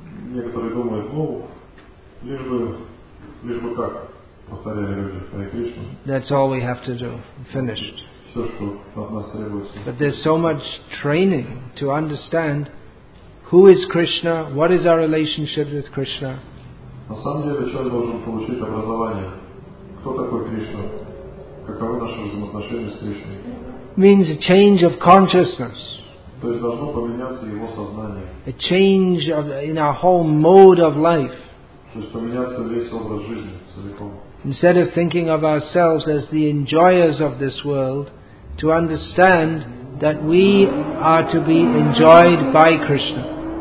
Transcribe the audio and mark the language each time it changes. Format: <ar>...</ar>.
<ru>Некоторые думают, ну, лишь бы как повторяли люди Hare Krishna.</ru> <en>That's all we have to do. Finished.</en> <ru>Все,</ru> <en>but there's so much training to understand who is Krishna, what is our relationship with Krishna.</en> <ru>На самом деле, человек должен получить образование. Кто такой Кришна? Каковы наши взаимоотношения с Кришной?</ru> <en>Means a change of consciousness.</en> <ru>То есть должно поменяться его сознание.</ru> <en>A change of, in our whole mode of life.</en> <ru>То есть поменяться весь образ жизни целиком.</ru> <en>instead of thinking of ourselves as the enjoyers of this world, to understand that we are to be enjoyed by Krishna.</en>